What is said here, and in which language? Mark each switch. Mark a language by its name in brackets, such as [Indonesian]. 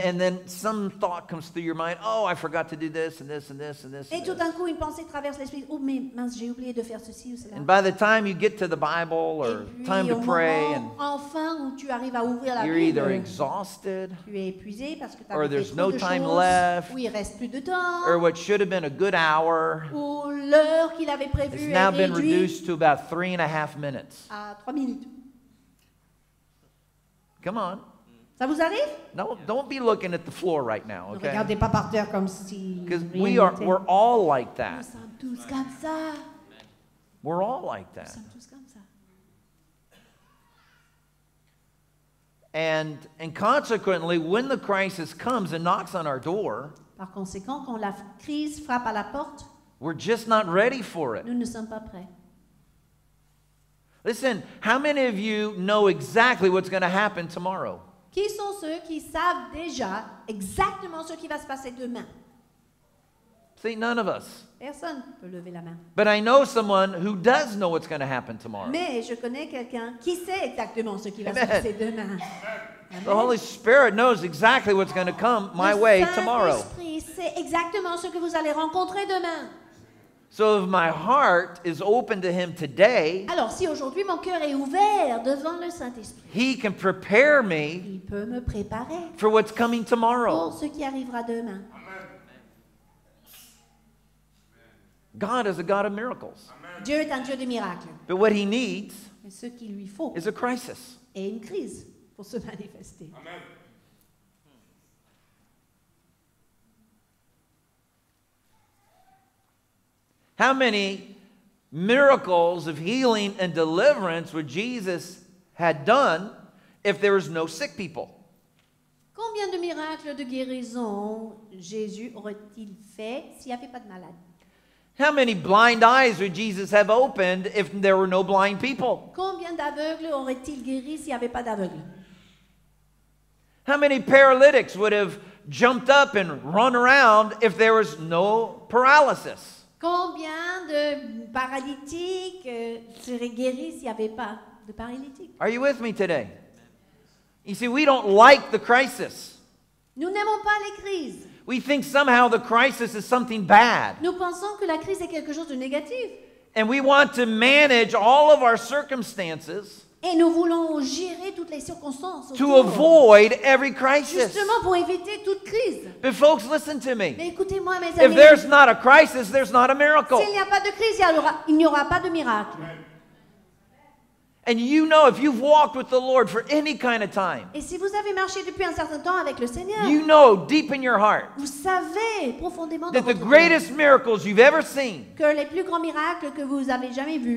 [English] And then some thought comes through your mind, oh, I forgot to do this and this and this and this. [French] Et tout d'un coup, une pensée traverse l'esprit, oh, mais mince, j'ai oublié de faire ceci ou cela. [English] And by the time you get to the Bible or time to pray, and [French] enfin où tu arrives à ouvrir la Bible, [English] you're either exhausted, [French] tu es épuisé parce que tu as fait trop de choses, [English] no time left, [French] ou il reste plus de temps, [English] or what should have been a good hour, [French] ou l'heure qu'il avait prévue [English] has now been reduced to about 3.5 minutes. Come on. [French] Ça vous arrive? [English] No, don't be looking at the floor right now, okay? [French] Ne regardez pas par terre comme si. [English] Because we're all like that. [French] Nous sommes tous comme ça. [English] We're all like that. [French] Nous sommes tous comme ça. [English] And consequently, when the crisis comes and knocks on our door, [French] par conséquent, quand la crise frappe à la porte, [English] we're just not ready for it. [French] Nous ne sommes pas prêts. [English] Listen, how many of you know exactly what's going to happen tomorrow? [French] Qui sont ceux qui savent déjà exactement ce qui va se passer demain? [English] See, none of us. [French] Personne ne peut lever la main. [English] But I know someone who does know what's going to happen tomorrow. [French] Mais je connais quelqu'un qui sait exactement ce qui va se passer demain. [English] Amen. The Holy Spirit knows exactly what's going to come my way tomorrow. [French] Le Saint-Esprit sait exactement ce que vous allez rencontrer demain. [English] So if my heart is open to him today, [French] alors si aujourd'hui mon cœur est ouvert devant le Saint-Esprit, [English] he can prepare me, [French] il peut me préparer [English] for what's coming tomorrow, [French] pour ce qui arrivera demain. [English] Amen. God is a God of miracles. [French] Amen. Dieu est un Dieu de miracles. [English] But what he needs, [French] mais ce qu'il lui faut, [English] is a crisis. [French] Et une crise pour se manifester. [English] Amen. How many miracles of healing and deliverance would Jesus had done if there was no sick people? [French] Combien de miracles de guérison Jésus aurait-il fait s'il n'y avait pas de malades? [English] How many blind eyes would Jesus have opened if there were no blind people? [French] Combien d'aveugles aurait-il guéri s'il n'y avait pas d'aveugles? [English] How many paralytics would have jumped up and run around if there was no paralysis? [French] Combien de paralytiques seraient guéris s'il n'y avait pas de paralytiques? [English] Are you with me today? You see, we don't like the crisis. [French] Nous n'aimons pas les crises. [English] We think somehow the crisis is something bad. [French] Nous pensons que la crise est quelque chose de négatif. [English] And we want to manage all of our circumstances. [French] Et nous voulons gérer toutes les circonstances autour. [English] To avoid every crisis. [French] Justement pour éviter toute crise. [English] But folks, listen to me. [French] Mais écoutez-moi, mes amis. [English] If there's not a crisis, there's not a miracle. [French] S'il n'y a pas de crise, il n'y aura pas de miracle. [English] And you know, if you've walked with the Lord for any kind of time, [French] et si vous avez marché depuis un certain temps avec le Seigneur, [English] you know deep in your heart, [French] vous savez profondément [English] that the greatest miracles you've ever seen, [French] que les plus grands miracles que vous avez jamais vus,